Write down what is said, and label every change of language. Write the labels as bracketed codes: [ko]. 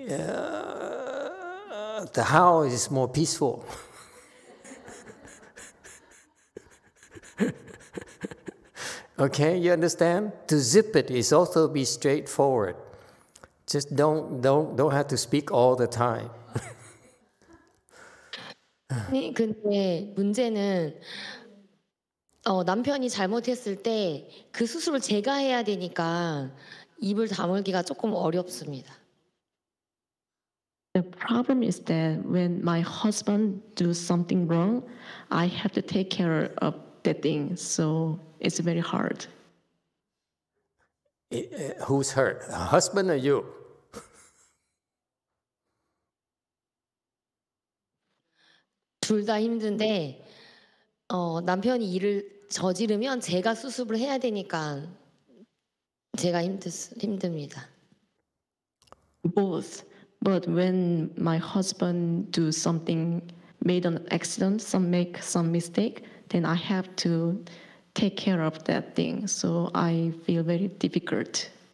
[en] Yeah, the how is more peaceful. Okay, you understand? To zip it is also be straightforward. Just don't have to speak all the time. [ko] 네, 근데 문제는 남편이 잘못했을 때 그 수습을 제가 해야 되니까 입을 다물기가 조금 어렵습니다. [en] The problem is that when my husband do something wrong, I have to take care of that thing. So it's very hard. Who's hurt? Husband or you? [ko] 둘 다 힘든데 어, 남편이 일을 저지르면 제가 수습을 해야 되니까 제가 힘듭니다. [en] Both, but when my husband do something, made an accident, some make some mistake, then I have to take care of that thing. So I feel very difficult.